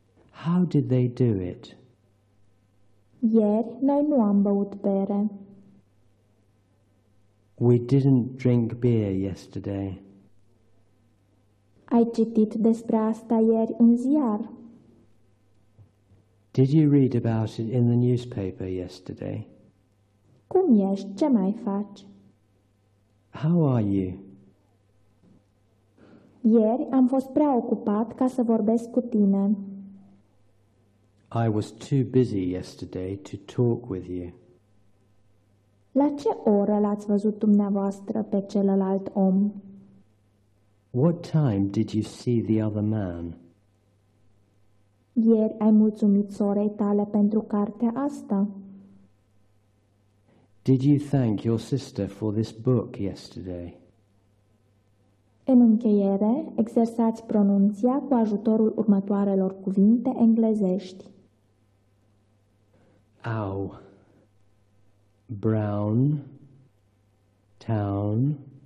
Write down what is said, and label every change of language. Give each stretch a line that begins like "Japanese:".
English: How did they do it?
Romanian: Ieri noi nu am băut bere.
English: We didn't drink beer yesterday.
Romanian: Ai citit despre asta ieri în ziar?
English: Did you read about it in the newspaper yesterday?
Romanian: Cum ești? Ce mai faci?
English: How are you?
Romanian: Ieri am fost prea ocupat ca să vorbesc cu tine.
English: I was too busy yesterday to talk with you.
Romanian: La ce oră l-ați văzut dumneavoastră pe celălalt om?
English: What time did you see the other man?
Romanian: Ieri ai mulțumit sorei tale pentru cartea asta.
English: Did you thank your sister for this book yesterday?
Romanian: În încheiere, exersați pronunția cu ajutorul următoarelor cuvinte englezești.
English: Au, brown, town,